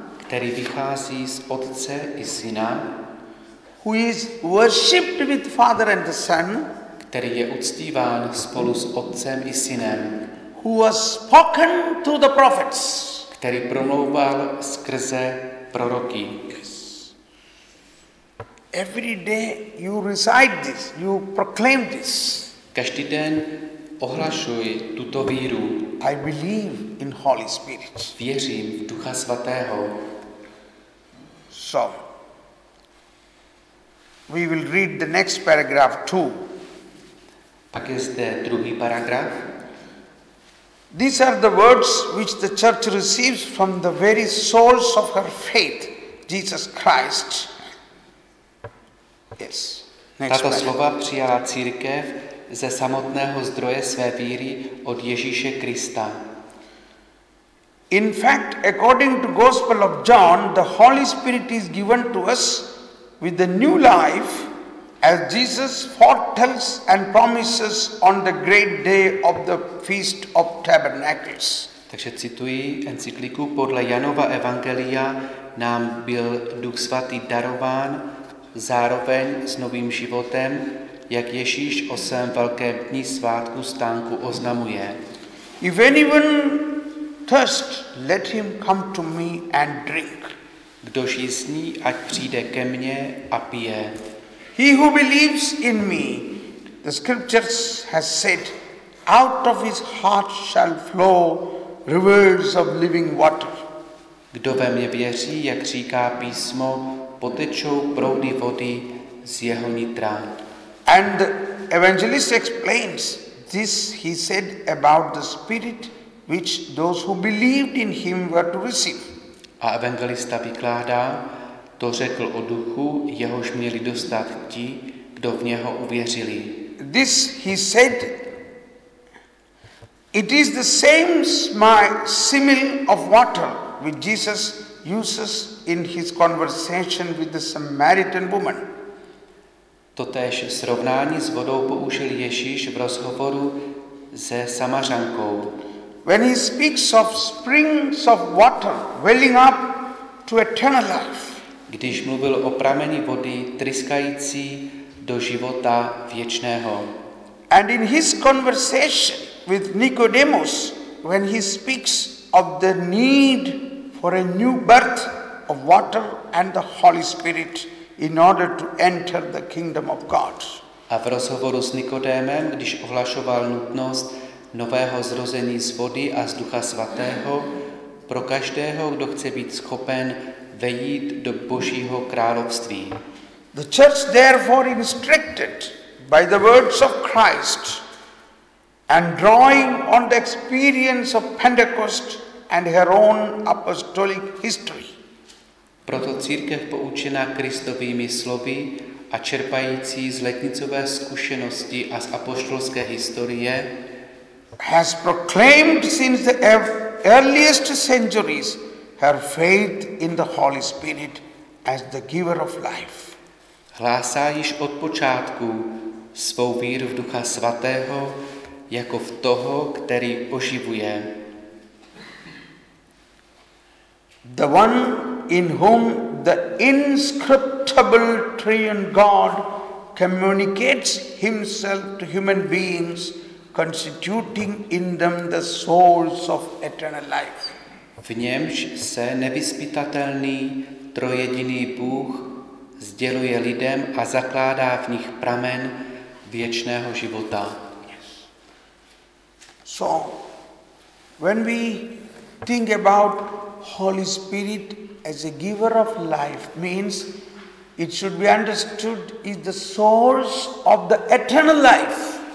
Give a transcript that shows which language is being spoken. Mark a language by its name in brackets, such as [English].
[Czech] Který vychází z Otce i Syna. [English] Who is worshipped with Father and the Son. [Czech] Který je uctíván spolu s Otcem i Synem. [English] Who was spoken to the prophets. [Czech] Který promlouval skrze proroky. [English] Yes. Every day you recite this, you proclaim this. [Czech] Každý den ohlašuj tuto víru. [English] I believe in Holy Spirit. [Czech] Věřím v Ducha Svatého. [English] So, we will read the next paragraph too. [Czech] Pak je zde druhý paragraf. [English] These are the words which the church receives from the very source of her faith, Jesus Christ. Yes. [Czech] Tato slova přijala církev ze samotného zdroje své víry od Ježíše Krista. [English] In fact, according to Gospel of John, the Holy Spirit is given to us with the new life as Jesus foretells and promises on the great day of the Feast of Tabernacles. [Czech] Takže cituji encykliku, podle Janova evangelia nám byl Duch svatý darován zároveň s novým životem, jak Ježíš o svém velkém dní svátku stánku oznamuje. [English] If anyone thirst, let him come to me and drink. [Czech] Kdo žízní, ať přijde ke mně a pije. [English] He who believes in me, the scriptures has said, out of his heart shall flow rivers of living water. [Czech] Kdo ve mě věří, jak říká písmo, potečou proudy vody z jeho nitra. [English] And the evangelist explains this he said about the spirit which those who believed in him were to receive. [Czech] A evangelista vykládá, to řekl o duchu, jehož měli dostat ti, kdo v něho uvěřili. [English] This he said, it is the same simile of water which Jesus uses in his conversation with the Samaritan woman. [Czech] Totéž srovnání s vodou použil Ježíš v rozhovoru se Samařankou. [English] When he speaks of springs of water welling up to eternal life. [Czech] Když mluvil o prameni vody tryskající do života věčného. [English] And in his conversation with Nicodemus, when he speaks of the need for a new birth of water and the Holy Spirit in order to enter the kingdom of God. [Czech] A v rozhovoru s Nikodémem, když ohlašoval nutnost nového zrození z vody a z Ducha Svatého pro každého, kdo chce být schopen vejít do Božího království. [English] The church therefore instructed by the words of Christ and drawing on the experience of Pentecost and her own apostolic history. [Czech] Proto církev poučená Kristovými slovy a čerpající z letnicové zkušenosti a z apoštolské historie [English] has proclaimed since the earliest centuries her faith in the Holy Spirit as the giver of life. [Czech] Hlásá již od počátku svou víru v Ducha Svatého jako v toho, který oživuje. [English] The one in whom the inscrutable triune God communicates himself to human beings, constituting in them the souls of eternal life. [Czech] V němž se nevyspytatelný trojediný Bůh sděluje lidem a zakládá v nich pramen věčného života. [English] Yes. So, when we think about Holy Spirit as a giver of life means it should be understood is the source of the eternal life.